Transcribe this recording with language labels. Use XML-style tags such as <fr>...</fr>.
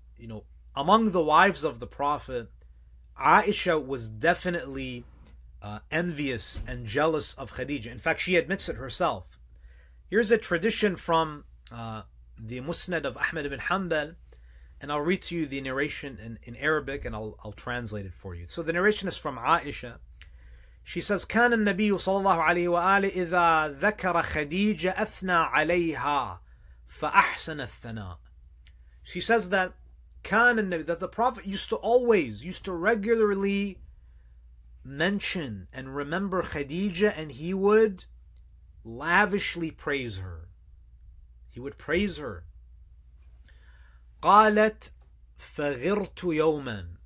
<en>You know, among the wives of the Prophet, Aisha was definitely envious and jealous of Khadijah. In fact, she admits it herself. Here's a tradition from the Musnad of Ahmad ibn Hanbal, and I'll read to you the narration in Arabic, and I'll translate it for you. So the narration is from Aisha. She says,</en> <ar>كان النبي صلى الله عليه وآله إذا ذكر خديجة أثنى عليها فأحسن الثناء.</ar> <en>She says that the Prophet used to regularly mention and remember Khadijah, and he would lavishly praise her. He would praise her.</en> <ar>قالت فغرت يوما.</ar>